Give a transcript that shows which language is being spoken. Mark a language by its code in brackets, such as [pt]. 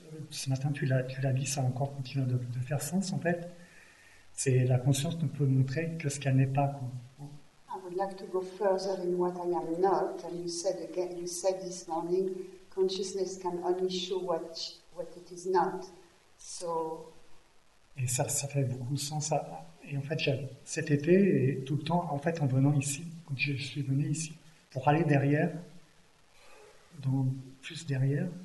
[fr] Ce matin, tu l'as dit, ça a encore continué de faire sens en fait. C'est la conscience ne peut montrer que ce qu'elle n'est pas. Quoi. [en] I'd like to go further in what I am not, and you said again, you said this morning, consciousness can only show what it is not. So. [fr] Et ça fait beaucoup de sens. Et en fait, cet été et tout le temps, en fait, en venant ici, quand je suis venu ici, pour aller derrière, donc plus derrière.